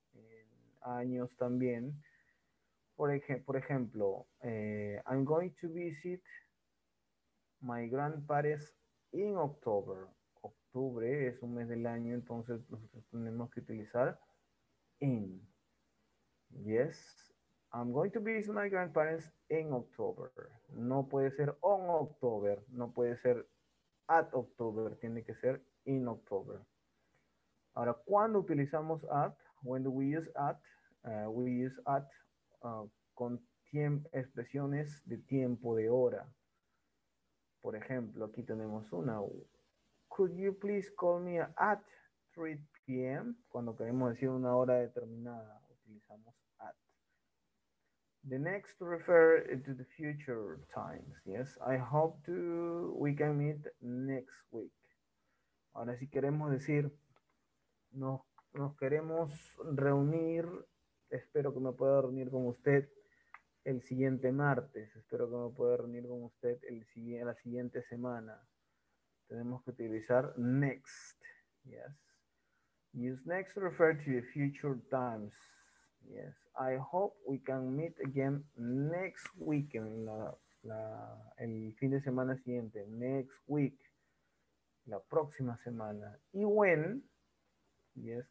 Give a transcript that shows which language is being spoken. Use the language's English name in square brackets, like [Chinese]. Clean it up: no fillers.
[Spanish] En años también. Por ejemplo, [English] I'm going to visit my grandparents in October. [Spanish] Octubre es un mes del año, entonces nosotros tenemos que utilizar in. [English] Yes, I'm going to visit my grandparents in October. [Spanish] No puede ser on October, no puede ser at October, tiene que ser in October. Ahora, ¿cuándo utilizamos at? [English] When do we use at? [Spanish] We use at con expresiones de tiempo, de hora. Por ejemplo, aquí tenemos una. [English] Could you please call me at 3 p.m.? [Spanish] Cuando queremos decir una hora determinada, utilizamos at. [English] The next refer to the future times. Yes, I hope to we can meet next week. [Spanish] Ahora, si queremos decir nos queremos reunir, espero que me pueda reunir con usted el siguiente martes. Espero que me pueda reunir con usted la siguiente semana. Tenemos que utilizar next. Yes. [English] Use next to refer to the future times. Yes. I hope we can meet again next week. [Spanish] El fin de semana siguiente. [English] Next week. [Spanish] La próxima semana. Y when. Yes.